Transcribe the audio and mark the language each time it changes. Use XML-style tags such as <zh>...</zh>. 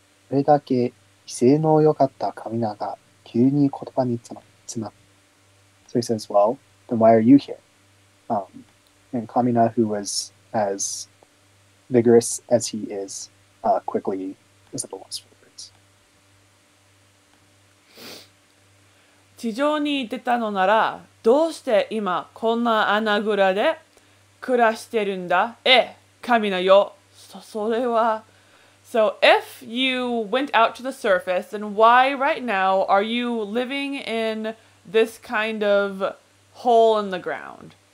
<ja>これだけ威勢の良かったカミナが急に言葉に詰まる。</ja> <en>So he says, well, then why are you here? And Kamina, who was as vigorous as he is, quickly is at a loss for words.</en> <ja>地上に出たのならどうして今こんな穴蔵で暮らしてるんだ？ええ、神のよ。それは。</ja> <en>So if you went out to the surface, then why right now are you living in this kind of hole in the ground?</en>